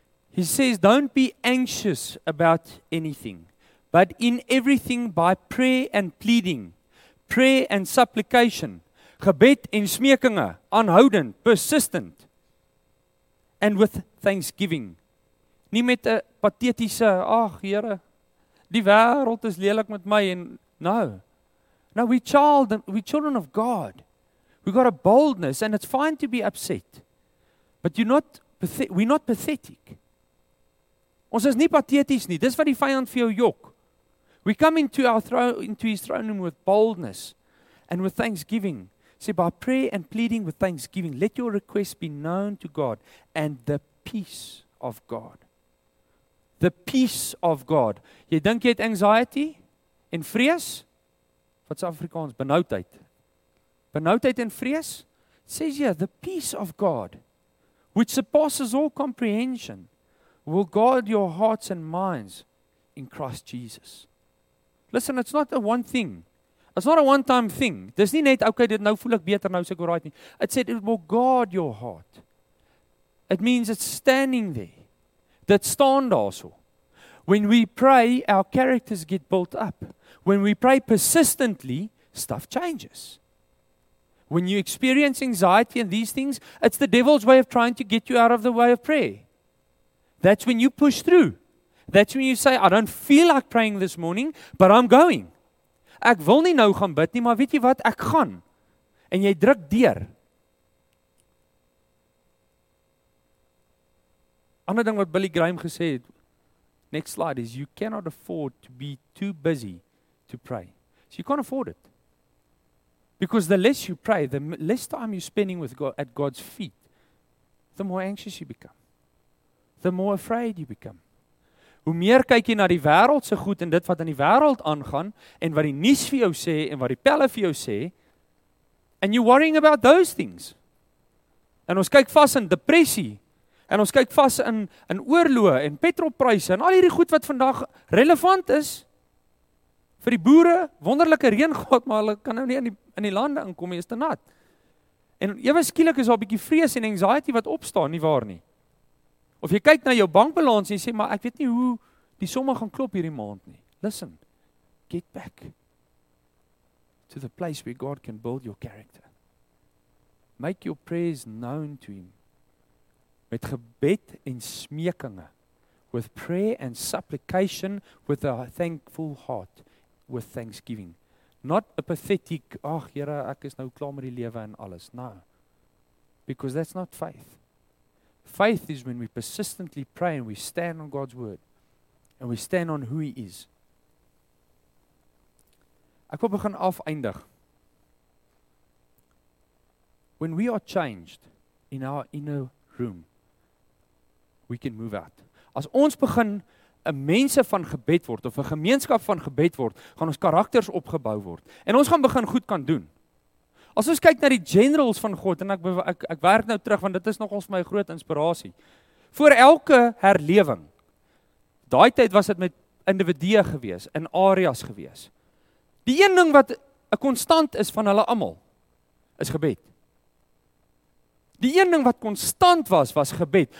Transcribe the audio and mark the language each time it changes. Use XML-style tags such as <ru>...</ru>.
<en>He says, don't be anxious about anything, but in everything by prayer and pleading, prayer and supplication,</en> <af>gebed en smekinge, aanhoudend,</af> <en>persistent, and with thanksgiving.</en> <af>Nie met 'n patetiese, ag Here, die wêreld is lelik met my en nou.</af> <en>Now we children of God. We got a boldness and it's fine to be upset. But we're not pathetic.</en> <af>Ons is nie pateties nie. Dis wat die vyand vir jou jok.</af> <en>We come into his throne room with boldness and with thanksgiving. See, by prayer and pleading with thanksgiving, let your requests be known to God and the peace of God. The peace of God.</en> <af>Jy dink jy het anxiety en vrees? Wat is Afrikaans? Benoudheid. Benoudheid en vrees?</af> <en>Says here, the peace of God, which surpasses all comprehension, will guard your hearts and minds in Christ Jesus. Listen, it's not a one thing. It's not a one-time thing.</en> <af>Dis nie net, okay, dit nou voel ek beter, nou is ek alright nie.</af> <en>It said it will guard your heart. It means it's standing there.</en> <af>Dit staan daarso.</af> <en>When we pray, our characters get built up. When we pray persistently, stuff changes. When you experience anxiety and these things, it's the devil's way of trying to get you out of the way of prayer. That's when you push through. That's when you say, I don't feel like praying this morning, but I'm going.</en> <af>Ek wil nie nou gaan bid nie, maar weet jy wat, ek gaan. En jy druk deur. Ander ding wat Billy Graham gesê het,</af> <en>next slide, is you cannot afford to be too busy to pray. So you can't afford it. Because the less you pray, the less time you're spending with God at God's feet, the more anxious you become. The more afraid you become.</en> <af>Hoe meer kyk jy na die wêreld se goed en dit wat in die wêreld aangaan en wat die nuus vir jou sê en wat die pelle vir jou sê,</af> <en>and you're worrying about those things.</en> <af>En ons kyk vas in depressie en ons kyk vas in oorloë en petrolpryse en al hierdie goed wat vandag relevant is vir die boere, wonderlike reën gehad, maar hulle kan nou nie in die lande inkom nie, is te nat. En ewe skielik is daar 'n bietjie vrees en anxiety wat opstaan, nie waar nie. Of jy kyk na jou bankbalans en jy sê, maar ek weet nie hoe die somme gaan klop hierdie maand nie.</af> <en>Listen, get back to the place where God can build your character. Make your prayers known to him.</en> <af>Met gebed en smekinge.</af> <en>With prayer and supplication, with a thankful heart, with thanksgiving. Not a pathetic,</en> <af>ach, Here, ek is nou klaar met die lewe en alles. No.</af> <en>Because that's not faith. Faith is when we persistently pray and we stand on God's word. And we stand on who he is.</en> <af>Ek wil begin afeindig.</af> <en>When we are changed in our inner room, we can move out.</en> <af>As ons begin 'n mense van gebed word, of 'n gemeenskap van gebed word, gaan ons karakters opgebou word. En ons gaan begin goed kan doen. As ons kyk na die generals van God, en ek werk nou terug, want dit is nogals my groot inspirasie. Voor elke herlewing, daai tyd was dit met individue gewees, in areas gewees. Die een ding wat 'n konstant is van hulle almal, is gebed. Die een ding wat konstant was, was gebed.</af>